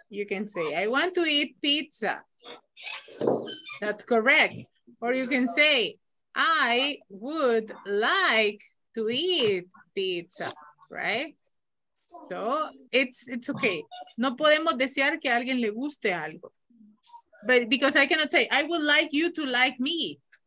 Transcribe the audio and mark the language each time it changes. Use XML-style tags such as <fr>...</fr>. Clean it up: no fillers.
<en>You can say, I want to eat pizza. That's correct. Or you can say, I would like to eat pizza, right? So it's okay.</en> <es>No podemos desear que a alguien le guste algo.</es> <en>But because I cannot say, I would like you to like me.</en>